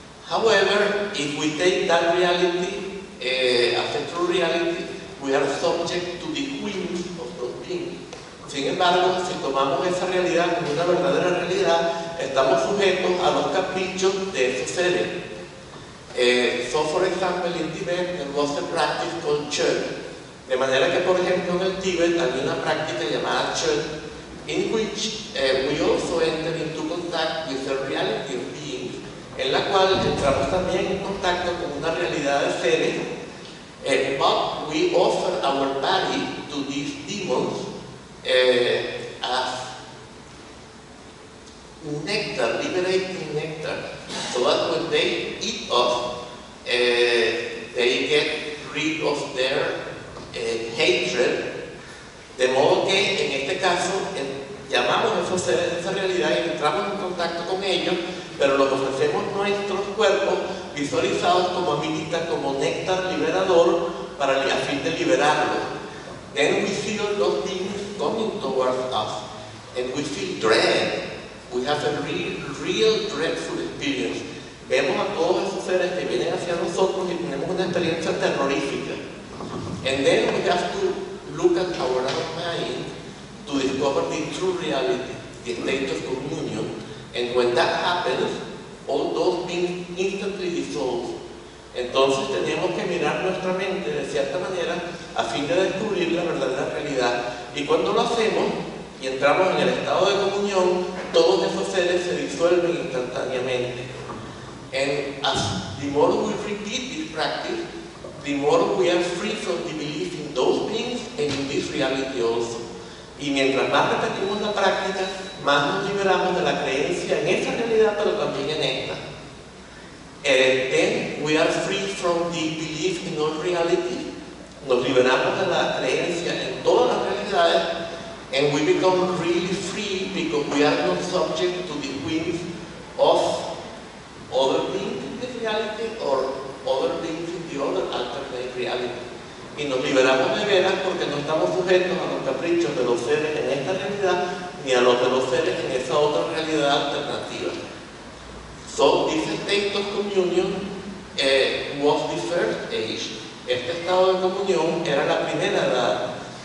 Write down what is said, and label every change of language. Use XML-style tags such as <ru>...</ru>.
<en>However, if we take that reality as a true reality, we are subject to the whims of those beings.</en> <es>Sin embargo, si tomamos esa realidad como una verdadera realidad, estamos sujetos a los caprichos de esos seres.</es> <en>So, for example, in Tibet, there was a practice called Chön.</en> <es>De manera que, por ejemplo, en el Tíbet había una práctica llamada Chön,</es> <en>in which we also enter into contact with the reality of beings,</en> <es>en la cual entramos también en contacto con una realidad de seres,</es> <en>but we offer our body to these demons as nectar, liberating nectar, so that when they eat us, they get rid of their hatred,</en> <es>de modo que en este caso llamamos a esos seres de esa realidad y entramos en contacto con ellos, pero lo que ofrecemos nuestros cuerpos visualizados como amilita, como néctar liberador, para el a fin de liberarlo.</es> <en>Then we feel those things coming towards us, and we feel dread. We have a real dreadful experience.</en> <es>Vemos a todos esos seres que vienen hacia nosotros y tenemos una experiencia terrorífica.</es> <en>And then we have to look at our own mind to discover the true reality, the state of communion. And when that happens, all those things instantly dissolve.</en> <es>Entonces tenemos que mirar nuestra mente de cierta manera a fin de descubrir la verdadera realidad. Y cuando lo hacemos y entramos en el estado de comunión, todos esos seres se disuelven instantáneamente.</es> <en>And as the more we repeat this practice, the more we are free from the belief in those things and in this reality also.</en> <es>Y mientras más repetimos la práctica, más nos liberamos de la creencia en esa realidad, pero también en esta.</es> <en>Then we are free from the belief in all reality.</en> <es>Nos liberamos de la creencia en todas las realidades,</es> <en>and we become really free because we are not subject to the whims of other beings in this reality or other beings in the other alternate reality.</en> <es>Y nos liberamos de veras porque no estamos sujetos a los caprichos de los seres en esta realidad ni a los de los seres en esa otra realidad alternativa.</es> <en>So this state of communion was the first age.</en> <es>Este estado de comunión era la primera edad.</es>